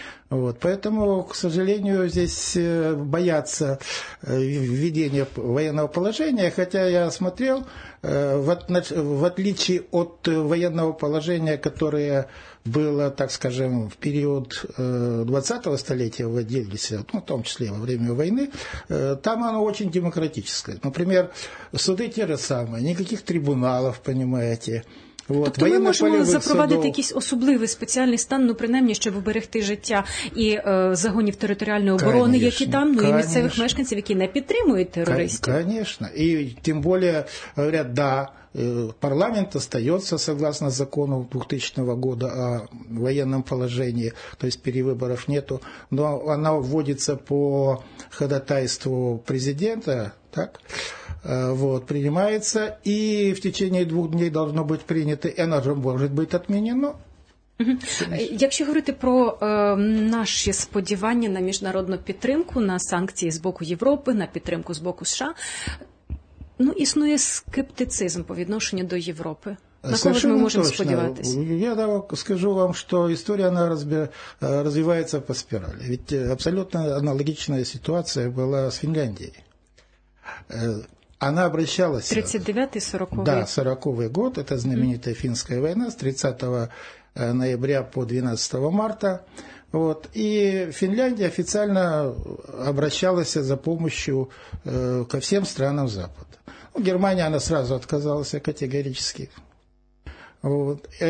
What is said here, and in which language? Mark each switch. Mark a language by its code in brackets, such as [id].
[ru] Вот, поэтому, к сожалению, здесь боятся введения военного положения, хотя я смотрел, в отличие от военного положения, которое было, так скажем, в период 20-го столетия вводились, ну, в том числе во время войны, там оно очень демократическое. Например, суды те же самые, никаких трибуналов, понимаете. Вот. [uk] Тобто ми можемо запровадити судов якийсь особливий спеціальний стан, ну, принаймні, щоб уберегти життя і загонів територіальної оборони, [ru] конечно, [uk] які там, ну, [ru] конечно, [uk] і місцевих мешканців, які не підтримують терористів. Звісно. І тим більше, говорять, [ru] да, парламент остается согласно закону 2000 года о военном положении, то есть перевыборов нету, но она вводится по ходатайству президента, так? Вот, принимается, и в течение двух дней должно быть принято, и оно же может быть отменено. [uk] Якщо говорити про наші сподівання на міжнародну підтримку, на санкції з боку Європи, на підтримку з боку США, ну, існує скептицизм по відношенню до Європи. [ru] На кого ж мы можем [uk] сподіватися? Я скажу вам, що історія вона розвивається по спіралі. [ru] Ведь абсолютно аналогічна ситуація була з Фінляндією. Она обращалась... 39-40-й? Да, 40-й год. Это знаменитая финская война с 30 ноября по 12 марта. Вот. И Финляндия официально обращалась за помощью ко всем странам Запада. Ну, Германия, она сразу отказалась категорически. Вот.